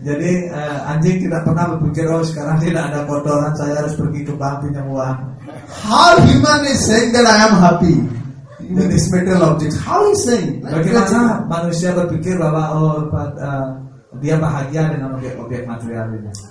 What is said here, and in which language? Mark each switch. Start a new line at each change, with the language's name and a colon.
Indonesian: Jadi anjing tidak pernah berpikir oh sekarang tidak ada kotoran saya harus pergi ke bank pinjam uang.
English: How human is saying that I am happy with this material object? How is saying?
Indonesian: Bagaimana manusia berpikir bahwa dia bahagia dengan objek material ini.